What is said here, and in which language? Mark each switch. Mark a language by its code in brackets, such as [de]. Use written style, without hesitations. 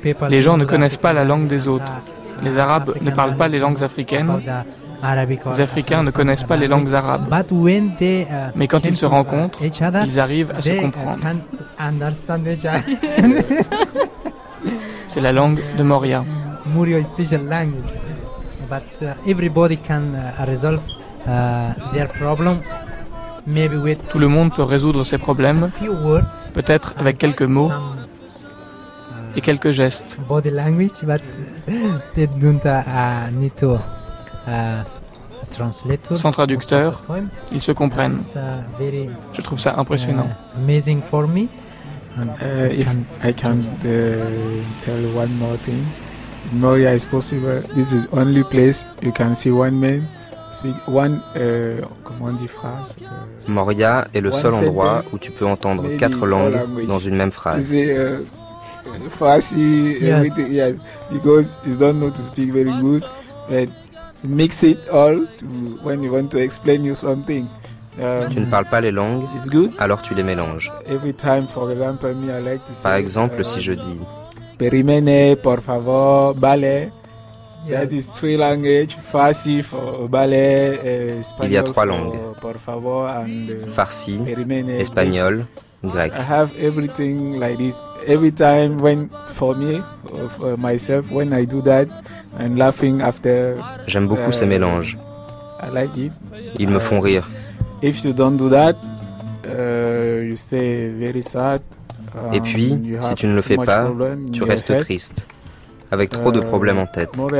[fr] Les gens ne connaissent pas la langue des autres. Les Arabes ne parlent pas les langues africaines. Les Africains ne connaissent pas les langues arabes. Mais quand ils se rencontrent, ils arrivent à se comprendre. C'est la langue de Moria. [en] Murio is special language, but everybody can resolve their problem. Maybe with [fr] tout le monde peut résoudre ses problèmes. [en] Words, [fr] peut-être avec quelques mots [en] some, [fr] et quelques gestes. [en] Body language, but they don't need to translate. [fr] Sans traducteur, ils se comprennent. [en] Very, [fr] je trouve ça impressionnant. [en] Amazing for me. If I can tell one more thing. Moria is possible. This is only place you can see one man speak one [fr] comment dire [en] phrase. [fr] Moria est le seul endroit où tu peux entendre quatre langues dans une même phrase. [en] Yes, because you don't know to speak very good, but mix it all to when you want to explain you something. [fr] Tu ne parles pas les langues, alors tu les mélanges. [en] Every time, for example, me I like to say. [fr] Par exemple, si je dis. Périmène, por favor, ballet. Yes. [en] That is three languages. Farsi for ballet, espagnol. [fr] Il y a trois langues. [es] Por favor, and [fr] Farsi, Périmène, espagnol, grec. [en] I have everything like this. Every time when for me, for myself, when I do that, I'm laughing after. [fr] J'aime beaucoup ces mélanges. [en] I like it. [fr] Ils me font rire. [en] If you don't do that, you stay very sad. [fr] Et puis, si tu ne le fais pas, tu restes triste, avec trop de problèmes en tête.